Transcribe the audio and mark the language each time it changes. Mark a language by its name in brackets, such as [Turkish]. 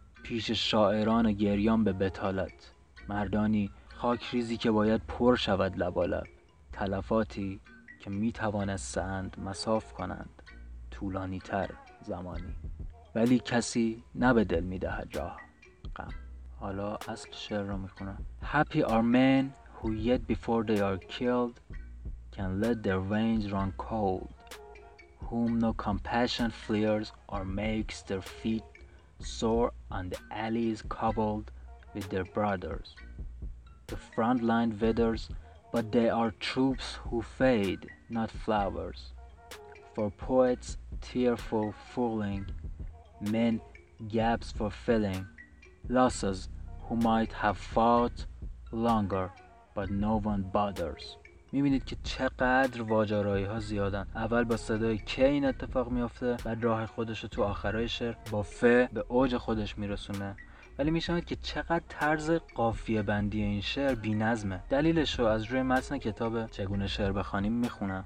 [Persian] پیش شاعران گریان به بتالت، مردانی خاک ریزی که باید پر شود لبالب، تلفاتی که می‌توانستند مصاف کنند طولانی تر زمانی، ولی کسی نبه دل می‌دهد راه غم. حالا اصل شعر رو میخونم: [English] Happy are men who yet before they are killed can let their veins run cold, whom no compassion flares or makes their feet sore on the alleys cobbled with their brothers. The front line withers, but they are troops who fade, not flowers. For poets tearful fooling, men gaps for filling, losses who might have fought longer, but no one bothers. [Persian] میبینید که چقدر واجرایی ها زیادن. اول با صدای که این اتفاق میافته، بعد راه خودش رو تو آخرای شعر با ف به اوج خودش میرسونه. ولی میشنوید که چقدر طرز قافیه بندی این شعر بی نظمه. دلیلش رو از روی متن کتاب چگونه شعر بخوانیم میخونم.